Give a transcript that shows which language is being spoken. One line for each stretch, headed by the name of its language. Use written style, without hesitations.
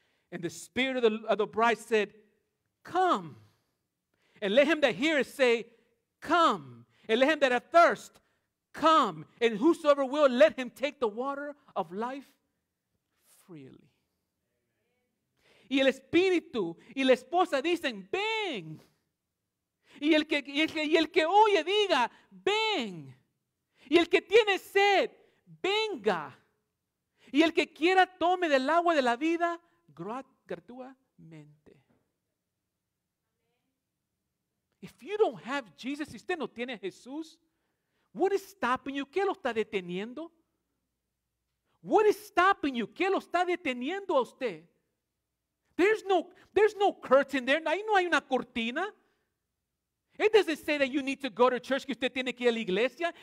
English: And the spirit of the bride said, come. And let him that heareth say, come. And let him that athirst, come. And whosoever will, let him take the water of life freely.
Spanish: Y el espíritu y la esposa dicen, ven. Y el que oye diga, ven. Y el que tiene sed, venga. Y el que quiera tome del agua de la vida gratuitamente.
English: If you don't have Jesus,
Spanish: si usted no tiene Jesús,
English: what is stopping you?
Spanish: ¿Qué lo está deteniendo?
English: What is stopping you?
Spanish: ¿Qué lo está deteniendo a usted?
English: There's no curtain there.
Spanish: Ahí no hay una cortina.
English: It doesn't say that you need to go to church,
Spanish: que usted tiene que ir a la iglesia.